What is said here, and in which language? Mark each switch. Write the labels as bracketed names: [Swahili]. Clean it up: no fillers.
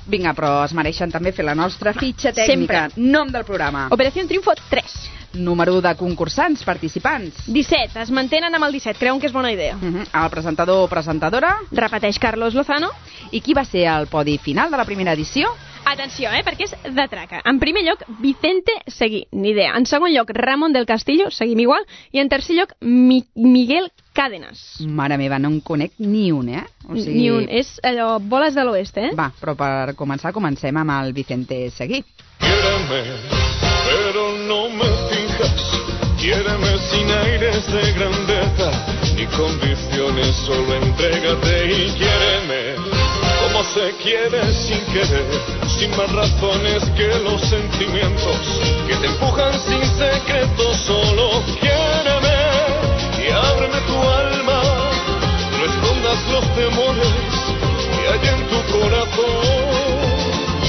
[Catalan] Vinga, però es mereixen també fer la nostra fitxa tècnica. Sempre. Nom del programa. Operació Triunfo 3. Número de concursants, participants. 17, es mantenen amb el 17, creuen que és bona idea. El presentador o presentadora. Repeteix Carlos Lozano. I qui va ser el podi final de la primera edició? Atenció, perquè és de traca. En primer lloc, Vicente Seguí, ni idea. En segon lloc, Ramon del Castillo, seguim igual. I en tercer lloc, Miguel Cádenas. Mare meva, no en conec ni un, O sigui... Ni un, és allò, boles de l'oest, Va, però per començar, comencem amb el Vicente Seguí. [Spanish] Quiereme, pero no me fijas. Quiereme sin aires de grandeza, ni condiciones, solo entrégate y quiereme. Como se quiere sin querer, sin más razones que los sentimientos que te empujan sin secreto, solo quiéreme y ábreme tu alma, no escondas los temores que hay en tu corazón.